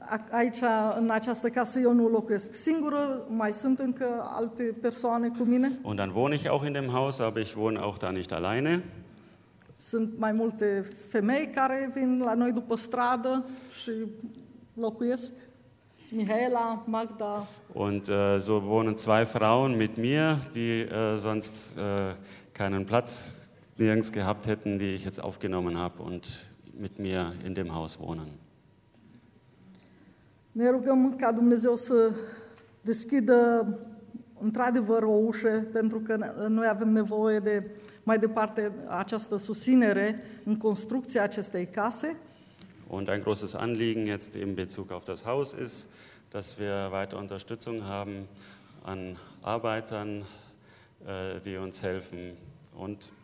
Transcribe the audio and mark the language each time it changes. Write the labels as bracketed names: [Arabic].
[Romanian] Aici, în această casă, eu nu locuiesc singură, mai sunt încă alte persoane cu mine. [German] Und dann wohne ich auch in dem Haus, aber ich wohne auch da nicht alleine. [Romanian] Sunt mai multe femei care vin la noi după stradă și locuiesc. Michaela, Magda. [German] Und so wohnen zwei Frauen mit mir, die sonst keinen Platz nirgends gehabt hätten, die ich jetzt aufgenommen habe und mit mir in dem Haus wohnen. [Romanian] Ne rugăm ca Dumnezeu să deschidă într-adevăr o ușă, pentru că noi avem nevoie de mai departe această susținere în construcția acestei case. [German] Und ein großes Anliegen jetzt in Bezug auf das Haus ist, dass wir weiter Unterstützung haben an Arbeitern, die uns helfen und